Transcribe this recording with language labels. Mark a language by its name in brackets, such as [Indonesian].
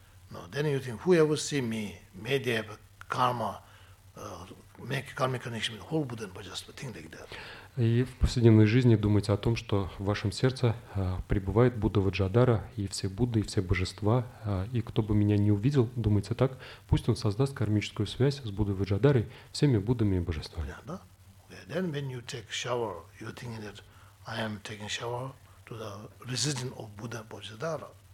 [English] No, then you think, whoever see me, may they have karma, make karmic connection with whole Buddha and Bodhisattva, think like that. [Russian] И в повседневной жизни думайте о том, что в вашем сердце пребывает Будда Ваджадара, и все Будды, и все божества, и кто бы меня не увидел, думайте так, пусть он создаст кармическую связь с Буддой Ваджадарой, всеми Буддами и божествами. [English] Yeah, да? Okay. Then when you take shower, you think that I am taking shower to the residence of Buddha Bodhisattva.